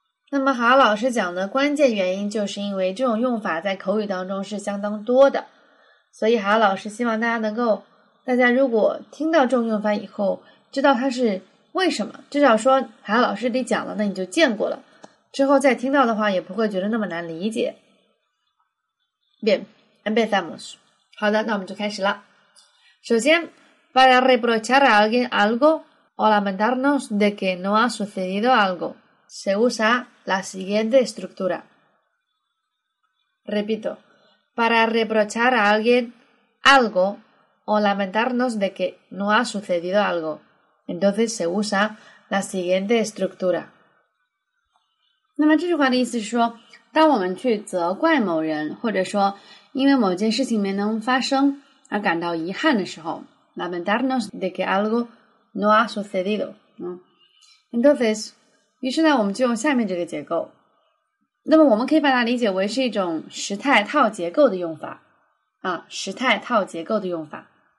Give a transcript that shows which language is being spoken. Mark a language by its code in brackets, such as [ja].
[zh] 那么海老师讲的关键原因，就是因为这种用法在口语当中是相当多的，所以海老师希望大家能够，大家如果听到这种用法以后，知道它是为什么，至少说海老师给讲了，那你就见过了，之后再听到的话，也不会觉得那么难理解。 [es] Bien, empezamos. [zh] 好的，那我们就开始了。 [es] 首先 ，para reprochar a alguien algo o lamentarnos de que no ha sucedido algo, se usa la siguiente estructura. Repito, para reprochar a alguien algo o lamentarnos de que no ha sucedido algo, entonces se usa la siguiente estructura. [zh] 那么这句话的意思是说，当我们去责怪某人，或者说因为某件事情没能发生而感到遗憾的时候 ， [es] lamentarnos de que algo no ha sucedido. [zh] Entonces, 于是呢，我们就用下面这个结构。那么我们可以把它理解为是一种时态套结构的用法啊，时态套结构的用法。